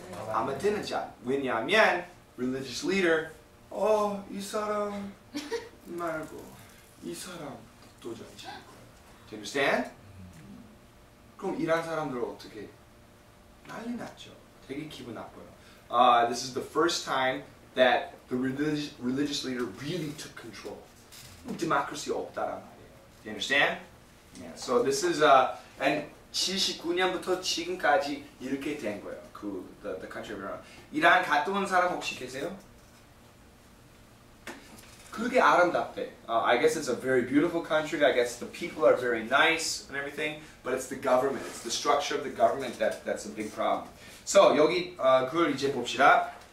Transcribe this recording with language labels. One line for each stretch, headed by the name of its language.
Korean: 아마 디네자드. 왜냐하면
English: religious leader
Korean: 이 사람 말고 이 사람 도전자.
English: Do you understand?
Korean: 그럼 이런 사람들 어떻게 난리 났죠. 되게 기분 나빠요.
English: This is the first time that the religious leader really took control. Democracy
Korean: 없다란 말이에요.
English: Do you understand? Yeah. So this is and
Korean: 79년부터 지금까지 이렇게 된 거예요.
English: 그 the country of Iran.
Korean: 이란 갔다 온 사람 혹시 계세요? 그게 아름답대.
English: I guess it's a very beautiful country. I guess the people are very nice and everything. But it's the government. It's the structure of the government that's a big problem.
Korean: So 여기 그걸 이제 봅시다.